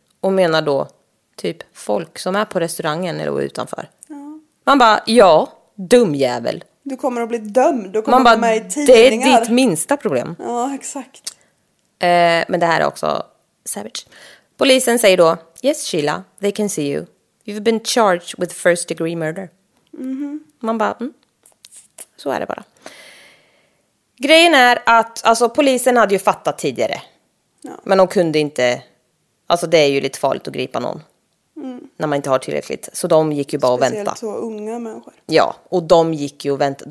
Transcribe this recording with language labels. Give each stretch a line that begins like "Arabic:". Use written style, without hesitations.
Swedish: Och menar då typ folk som är på restaurangen eller utanför. Ja. Man bara, ja, dum jävel. Du kommer att bli dömd. Du kommer att komma i tidningar. Det är ditt minsta problem. Ja, exakt. Men det här är också savage. Polisen säger då:
English: "Yes, Sheila, they can see you. You've been charged with first degree murder." Mm-hmm.
Swedish: Man bara, så är det bara. Grejen är att alltså, polisen hade ju fattat tidigare. Ja. Men de kunde inte... Alltså det är ju lite farligt att gripa någon. Mm. När man inte har tillräckligt. Så de gick ju bara speciellt och väntade. Speciellt så unga människor. Ja, och de gick ju och väntade.